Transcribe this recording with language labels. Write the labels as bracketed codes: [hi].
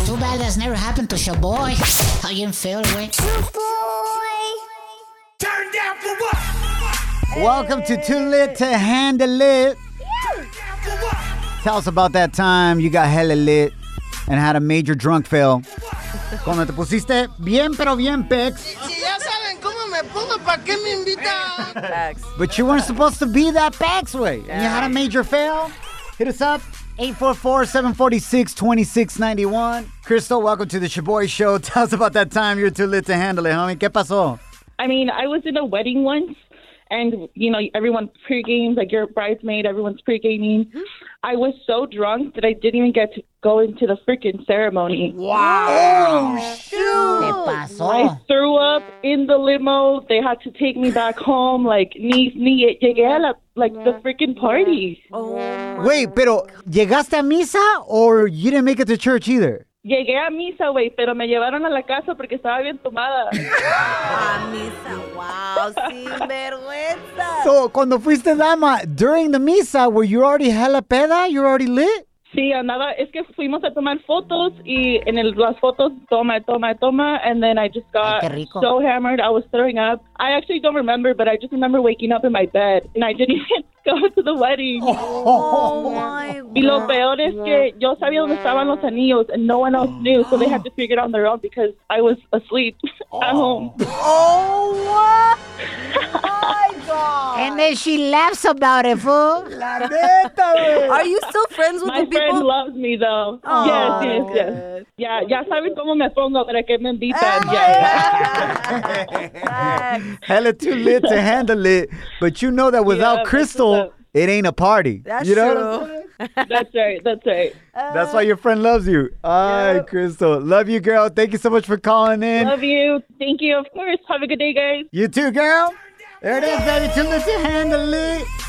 [en] Too bad that's never happened to Shaboy. How you feel, Wick? Shaboy. Turn down for what? Hey. Welcome to Too Lit to Handle It. Tell us about that time you got hella lit and had a major drunk fail. [es] Cuando te pusiste bien, pero bien, pecs. Ya saben cómo me pongo, ¿para qué me invitan? [en] But you weren't supposed to be that pecs way. And you had a major fail. Hit us up. 844-746-2691. Crystal, welcome to the Shaboy Show. Tell us about that time you're too lit to handle it, homie. [es] ¿Qué pasó? [en] I mean, I was in a wedding once. And, you know, everyone pre-games, like your bridesmaid, everyone's pre-gaming. I was so drunk that I didn't even get to go into the freaking ceremony. Wow. Oh, shoot. [es] ¿Qué pasó? [en] I threw up in the limo. They had to take me back home. Like, [es] ni llegué a la, [en] like, the freaking party. Oh, wait, [es] pero ¿llegaste a misa [en] or you didn't make it to church either? [es] Llegué a misa, güey, pero me llevaron a la casa porque estaba bien tomada. A misa, wow, sin vergüenza. [en] So, [es] cuando fuiste dama, [en] during the misa, were you already hella peda? You were already lit? [es] Sí, andaba, es que fuimos a tomar fotos y en el, las fotos, toma, [en] and then I just got so hammered, I was throwing up. I actually don't remember, but I just remember waking up in my bed and I didn't even go to the wedding. Oh my God. [es] Y lo peor es que yo sabía dónde estaban los anillos [en] and no one else knew, so they had to figure it out on their own because I was asleep at home. Oh, what? God. And then she laughs about it, fool. [es] La neta, wey. [en] Are you still friends with my the people? My friend loves me, though. Oh, yes. [es] Yeah, ya sabes cómo me pongo para que me invitan. [en] Hella too lit to handle it, but you know that without Crystal, it ain't a party. That's you know? True. That's right. That's why your friend loves you. Hi, Crystal. Love you, girl. Thank you so much for calling in. Love you. Thank you, of course. Have a good day, guys. You too, girl. There it is, baby. Too lit to handle it.